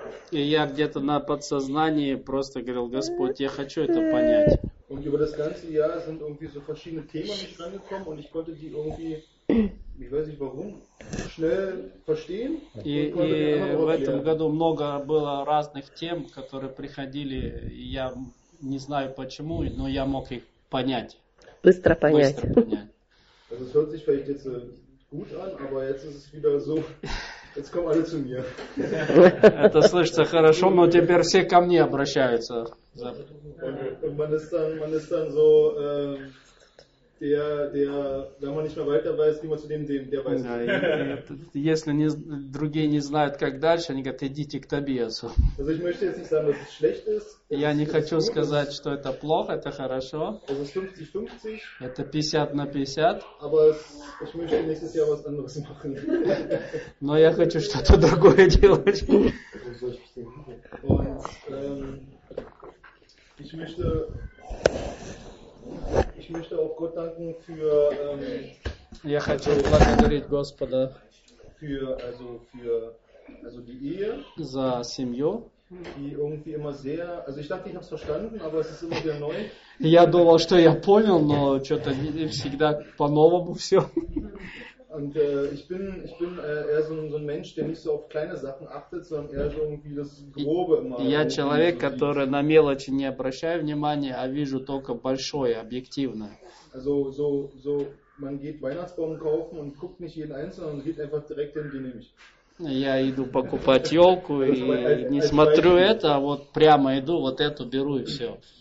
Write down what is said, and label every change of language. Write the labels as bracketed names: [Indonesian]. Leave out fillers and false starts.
[Russian] И я где-то на подсознании просто говорил: Господь, я хочу это понять. [German] Und über das ganze Jahr sind irgendwie so verschiedene Themen nicht rangekommen und ich konnte die irgendwie, ich weiß nicht warum, schnell verstehen. [Russian] И в этом году много было разных тем, которые приходили, я не знаю почему, но я мог их понять. Быстро понять. [German] Also es hört sich vielleicht jetzt gut an, aber jetzt ist es wieder so, jetzt kommen alle zu mir. [Russian] Это слышится хорошо, но теперь все ко мне обращаются. [German] Und man ist dann so der, wenn man nicht mehr weiter weiß, wie man zu dem, der weiß. [Russian] Если другие не знают, как дальше, они говорят, идите к Тобиасу. [German] Also ich möchte jetzt nicht sagen, dass es schlecht ist. [Russian] Я не хочу сказать, что это плохо, это хорошо. Это 50-50. Это 50 на 50. [German] Ich möchte nächstes Jahr was anderes machen. [Russian] Но я хочу что-то другое делать. [German] Und ich möchte auch Gott danken für [Russian] я хочу благодарить Господа [German] für die Ehe, [Russian] за семью. [German] Die irgendwie immer sehr, also ich dachte, ich habe es verstanden, aber es ist immer wieder neu. [Russian] Я думал, что я понял, но что-то всегда по-новому все. [German] Und ich bin eher so ein Mensch, der nicht so auf kleine Sachen achtet, sondern eher so irgendwie das Grobe immer. [Russian] Я человек, который на мелочи не обращаю внимания, а вижу только большое, объективное. [German] Also so man geht Weihnachtsbaum kaufen und guckt nicht jeden einzelnen, sondern geht einfach direkt hin, den nehme ich. [Russian] Я иду покупать елку и не смотрю это, а вот прямо иду, вот эту беру и все.